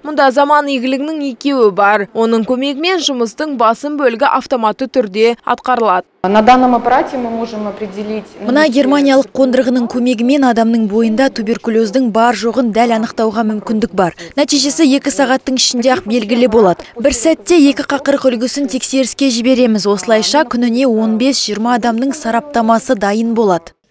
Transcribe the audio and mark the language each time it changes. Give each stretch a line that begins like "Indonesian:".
Kazakh: Мұнда заман игілігінің екеуі бар. Оның көмегімен жұмыстың басым бөлігі автоматты түрде атқарылады.
Russian: На данном аппарате мы можем определить.
Kazakh: Мына германиялық қондырғының көмегімен адамның бойында туберкулездің бар жоғын дәл анықтауға мүмкіндік бар. Нәтижесі 2 сағаттың ішінде ақ белгілі болады. Бір сәтте 2 қақырық үлгісін тексеріске жібереміз. Осылайша күніне 15-20 адамның сараптамасы дайын болады.